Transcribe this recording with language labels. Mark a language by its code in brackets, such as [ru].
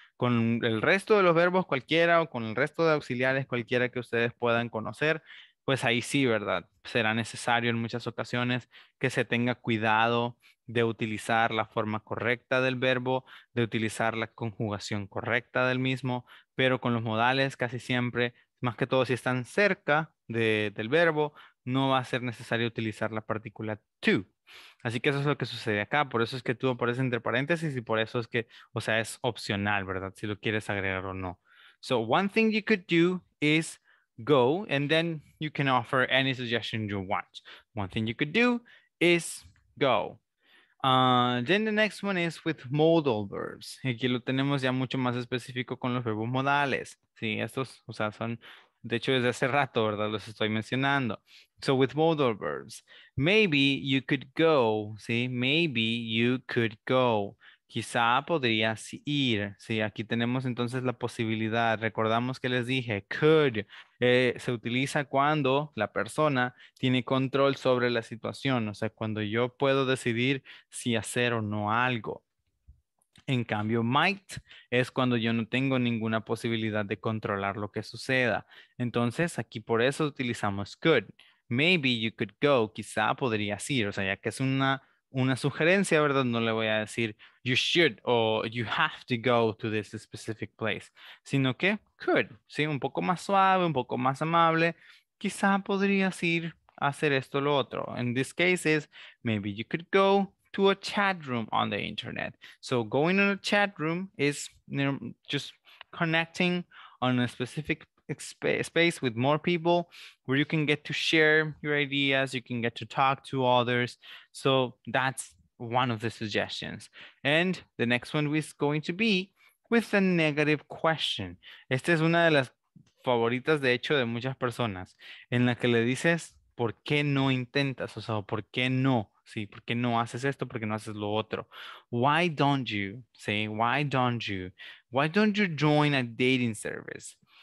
[es] Con el resto de los verbos cualquiera o con el resto de auxiliares cualquiera que ustedes puedan conocer, pues ahí sí, ¿verdad?, será necesario en muchas ocasiones que se tenga cuidado de utilizar la forma correcta del verbo, de utilizar la conjugación correcta del mismo, pero con los modales casi siempre, más que todo si están cerca de, del verbo, no va a ser necesario utilizar la partícula to. Así que eso es lo que sucede acá, por eso es que tú aparece entre paréntesis y por eso es que, o sea, es opcional, ¿verdad?, si lo quieres agregar o no. [en] So one thing you could do is go, and then you can offer any suggestion you want. One thing you could do is go. Then the next one is with modal verbs. [es] Aquí lo tenemos ya mucho más específico con los verbos modales. Sí, estos, o sea, son, de hecho, desde hace rato, ¿verdad?, los estoy mencionando. [en] So with modal verbs, maybe you could go, sí, maybe you could go. [es] Quizá podrías ir, sí, aquí tenemos entonces la posibilidad, recordamos que les dije, could, se utiliza cuando la persona tiene control sobre la situación, o sea, cuando yo puedo decidir si hacer o no algo. En cambio, might es cuando yo no tengo ninguna posibilidad de controlar lo que suceda. Entonces, aquí por eso utilizamos could. [en] Maybe you could go, [es] quizá podrías ir, o sea, ya que es una sugerencia, ¿verdad? No le voy a decir [en] you should [es] o [en] you have to go to this specific place, [es] sino que could, ¿sí? Un poco más suave, un poco más amable, quizá podrías ir a hacer esto o lo otro. [en] In this case is maybe you could go to a chat room on the internet. So going in a chat room is just connecting on a specific space with more people where you can get to share your ideas, you can get to talk to others. So that's one of the suggestions. And the next one is going to be with a negative question. [es] Esta es una de las favoritas, de hecho, de muchas personas, en la que le dices, ¿por qué no intentas? O sea, ¿por qué no? Sí, ¿por qué no haces esto? ¿Por qué no haces lo otro? [en] Why don't you? Sí, why don't you? Why don't you join a dating service?